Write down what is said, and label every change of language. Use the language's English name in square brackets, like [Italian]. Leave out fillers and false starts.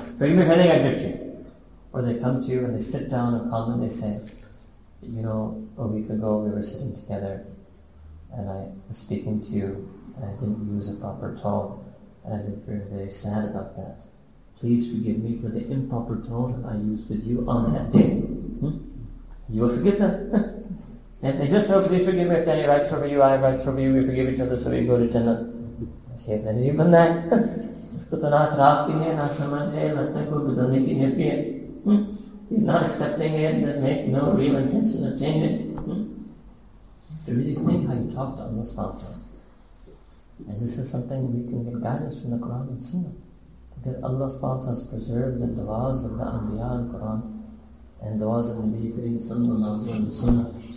[English] Forgive me for anything I did to you. Or they come to you and they sit down and come and they say, you know, a week ago we were sitting together and I was speaking to you and I didn't use a proper tone and I've been feeling very sad about that. please forgive me for the improper tone I used with you on that day. You will forgive them. And they just say, oh, please forgive me if any rights over you, I have rights over you, we forgive each other, so we go to Jannah. Okay, then you mean that? [Hindi] उसको तो ना तराफ की है ना समझ है ना तो कोई बदलने की नियत है. [English] He's not accepting it. Doesn't make no real intention of changing. To really think how you talk to Allah SWT. And this is something we can get guidance from the Quran and Sunnah, because Allah SWT has preserved the du'as of the Anbiya in the Quran and du'as of Nabi Kareem Sallallahu Alaihi Wasallam in the Sunnah.